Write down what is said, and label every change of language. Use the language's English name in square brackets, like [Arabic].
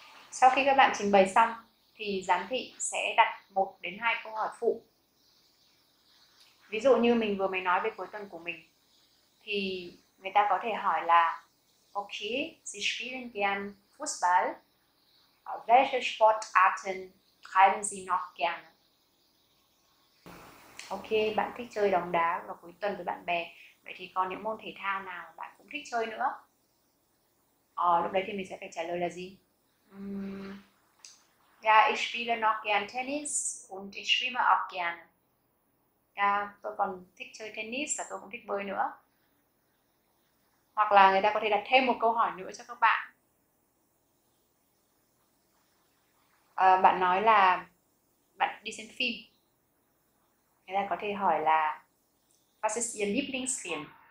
[Vietnamese] Sau khi các bạn trình bày xong thì giám thị sẽ đặt một đến hai câu hỏi phụ. Ví dụ như mình vừa mới nói về cuối tuần của mình thì người ta có thể hỏi là [German] Okay, Sie spielen gern Fußball. Welche Sportarten treiben Sie noch gerne? [Vietnamese] Okay, bạn thích chơi bóng đá vào cuối tuần với bạn bè. Vậy thì còn những môn thể thao nào bạn cũng thích chơi nữa? Lúc đấy thì mình sẽ phải trả lời là gì? [German] Ja, ich spiele noch gern Tennis und ich schwimme auch gern. [Vietnamese] Tôi còn thích chơi tennis và tôi cũng thích bơi nữa. Hoặc là người ta có thể đặt thêm một câu hỏi nữa cho các bạn. Bạn nói là bạn đi xem phim. Người ta có thể hỏi là [English] What is your Lieblingsfilm?